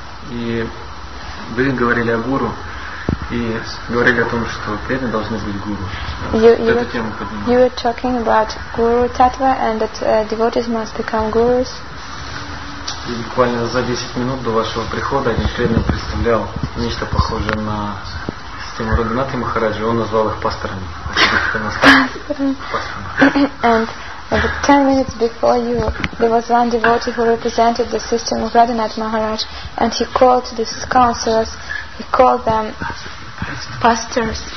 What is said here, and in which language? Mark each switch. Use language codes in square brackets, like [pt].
[ru] И вы говорили о гуру и говорили о том, что преданные должны быть гуру. [en] You were talking about guru tattva and that devotees must become gurus. [ru] И буквально за 10 минут до вашего прихода один преданный представлял нечто похожее на систему Радханатхи Махараджи, он назвал их пасторами. [en] And about 10 minutes before you, there was one devotee who represented the system of Radhanath Maharaj, and he called these counselors, he called them pastors.